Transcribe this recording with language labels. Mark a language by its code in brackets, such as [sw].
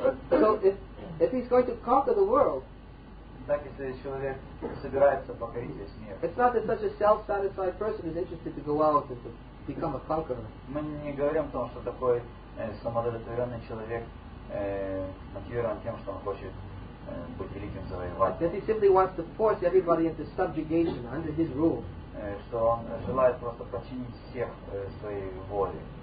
[en] So if he's going to conquer the world, [ru] так если человек собирается покорить весь мир, [en] it's not that such a self-satisfied person is interested to go out and to become a conqueror. [ru] Мы не говорим о том, что такой самодовлетворенный человек мотивирован тем, что он хочет быть великим завоевателем. [en] That he simply wants to force everybody into subjugation under his rule. [ru] Что он желает просто подчинить всех своей воле.